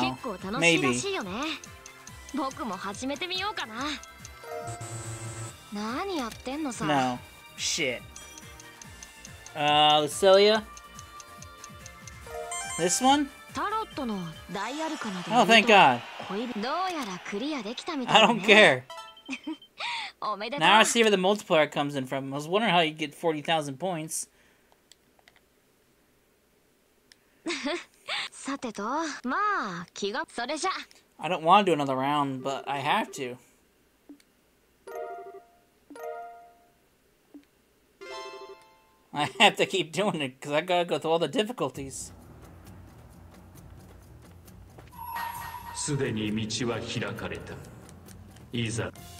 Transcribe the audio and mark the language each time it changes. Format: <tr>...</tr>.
<ja>結構楽しいらしいよね。僕も始めてみようかな。何やってんのさ。</ja> <en>No. Shit. Lucilia? This one? Oh, thank God.</en> <ja>どうやらクリアできたみたいね。</ja> <en>I don't care. Now I see where the multiplier comes in from. I was wondering how you get 40,000 points.</en> <ja>さてと、まあ、気が、それじゃ。</ja> <en>I don't want to do another round, but I have to. I have to keep doing it because I gotta go through all the difficulties.</en> <ja>Sudeni Michiwa Hirakareta. Iza.</ja>